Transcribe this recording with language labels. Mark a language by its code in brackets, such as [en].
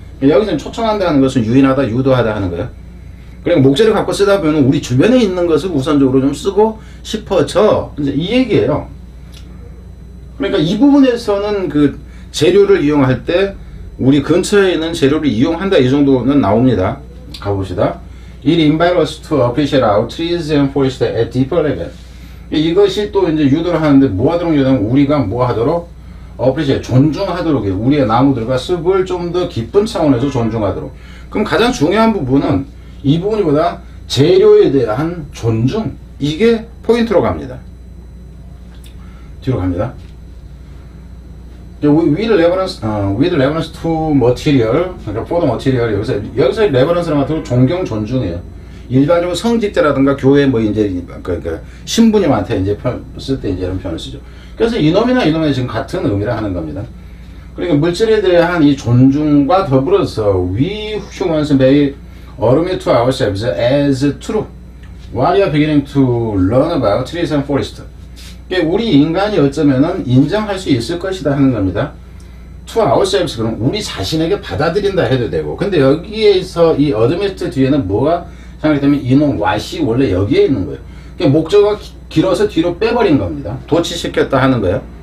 [ko] 여기서는 초청한다는 것은 유인하다, 유도하다 하는 거예요. 그러니까 목재를 갖고 쓰다 보면 우리 주변에 있는 것을 우선적으로 좀 쓰고 싶어져. 이제 이 얘기예요. 그러니까 이 부분에서는 그 재료를 이용할 때 우리 근처에 있는 재료를 이용한다, 이 정도는 나옵니다. 가봅시다. [en] It invites us to appreciate our trees and forests at deeper level. [ko] 이것이 또 이제 유도를 하는데, 뭐 하도록 유도하면 우리가 뭐 하도록 appreciate, 존중하도록, 우리의 나무들과 숲을 좀 더 깊은 차원에서 존중하도록. 그럼 가장 중요한 부분은 이 부분보다 재료에 대한 존중, 이게 포인트로 갑니다. 뒤로 갑니다. With reverence to material, for the material, 여기서 reverence라는 것은 존경, 존중이에요. 일반적으로 성직자라든가 교회, 뭐, 이제, 그러니까 신부님한테 이제 쓸 때 이제 이런 표현을 쓰죠. 그래서 이놈이나 이놈이 지금 같은 의미를 하는 겁니다. [en] 그러니까 물질에 대한 이 존중과 더불어서 we humans may admit to ourselves as true. While you are beginning to learn about trees and forests. [ko] 우리 인간이 어쩌면은 인정할 수 있을 것이다 하는 겁니다. To ourselves, 그럼 우리 자신에게 받아들인다 해도 되고. 근데 여기에서 이 admit 뒤에는 뭐가 생각되면 이놈 what이 원래 여기에 있는 거예요. 그러니까 목적어가 길어서 뒤로 빼버린 겁니다. 도치시켰다 하는 거예요.